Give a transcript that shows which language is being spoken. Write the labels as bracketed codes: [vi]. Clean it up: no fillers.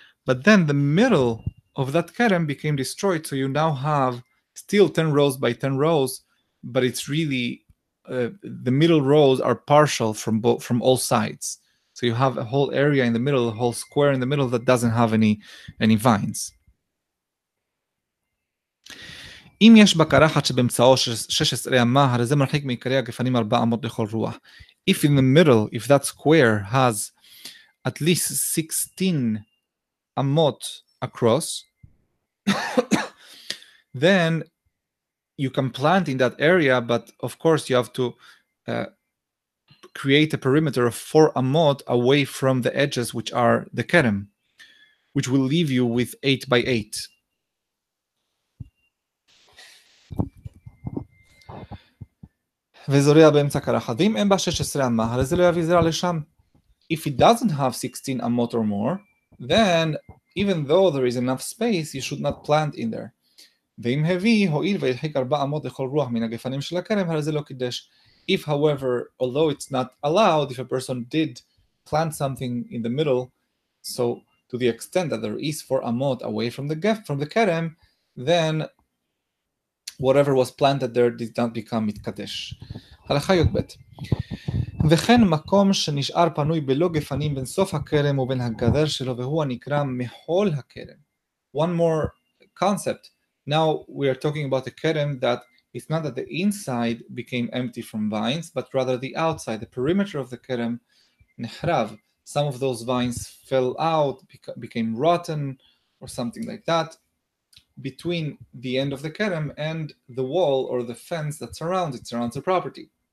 [en] But then the middle of that kerem became destroyed, so you now have still 10 rows by 10 rows, but it's really the middle rows are partial from all sides. So you have a whole area in the middle, a whole square in the middle that doesn't have any vines. [he] אם יש בקרחת שבאמצעו 16 אמה, הרי זה מרחיק מעיקרי הגפנים 4 אמות לכל רוח. [en] If in the middle, if that square has at least 16 אמות across, then you can plant in that area, but of course you have to create a perimeter of 4 amot away from the edges, which are the kerem, which will leave you with 8 by 8. [he] וזורע באמצע קרחת, ואם אין בה 16 אמה, הרי זה לא יביא זרע לשם. [en] If it doesn't have 16 amot or more, then even though there is enough space, you should not plant in there. [he] ואם הביא, הועיל והדחיק 4 אמות לכל רוח מן הגפנים של הכרם, הרי זה לא קידש. [en] If, however, although it's not allowed, if a person did plant something in the middle, so to the extent that there is 4 amot away from the gef, from the kerem, then whatever was planted there did not become mitkadesh. [he] Halacha yod bet. וכן מקום שנשאר פנוי בלא גפנים בין סוף הכרם ובין הגדר שלו, והוא הנקרא מחול הכרם. [en] One more concept. Now we are talking about the kerem that it's not that the inside became empty from vines, but rather the outside, the perimeter of the kerem, nechrav. Some of those vines fell out, became rotten, or something like that, between the end of the kerem and the wall or the fence that surrounds it, surrounds the property.